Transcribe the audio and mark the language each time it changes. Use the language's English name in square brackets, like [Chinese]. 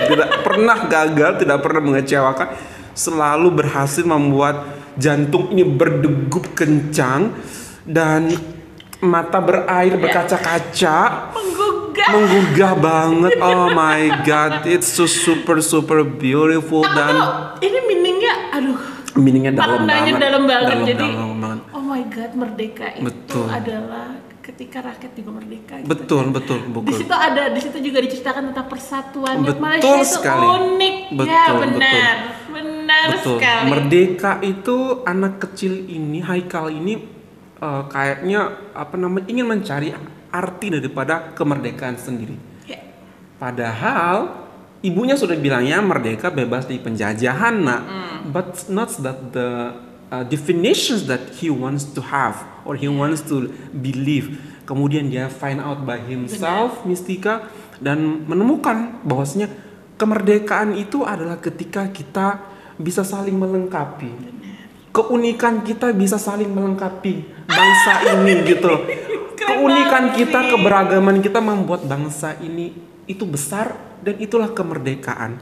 [Indonesian] Tidak pernah gagal, tidak pernah mengecewakan. Selalu berhasil membuat jantung ini berdegup kencang dan mata berair berkaca-kaca. Menggugah banget. [English] Oh my god, it's so super super beautiful. [Indonesian] Aku dan tuh, ini meaningnya, aduh. Meaningnya dalam banget. Dalam banget. Jadi, [English] oh my god, [Indonesian] merdeka itu betul. Adalah ketika rakyat juga merdeka. Gitu. Betul. Di situ juga diceritakan tentang persatuan. Betul sekali. Malaysia itu unik. Betul, benar. Sekali. Merdeka itu anak kecil ini, Haikal ini, kayaknya apa namanya, ingin mencari arti daripada kemerdekaan sendiri. Ya. Padahal ibunya sudah bilangnya merdeka bebas dari penjajahan, nak. Hmm. [English] But not that the definitions that he wants to have or he wants to believe. [Indonesian] Kemudian dia [English] find out by himself, [Indonesian] benar. Mistika, dan menemukan bahwasanya kemerdekaan itu adalah ketika kita bisa saling melengkapi. Benar. Keunikan kita bisa saling melengkapi bangsa ini gitu. Keunikan kita, keberagaman kita membuat bangsa ini itu besar, dan itulah kemerdekaan.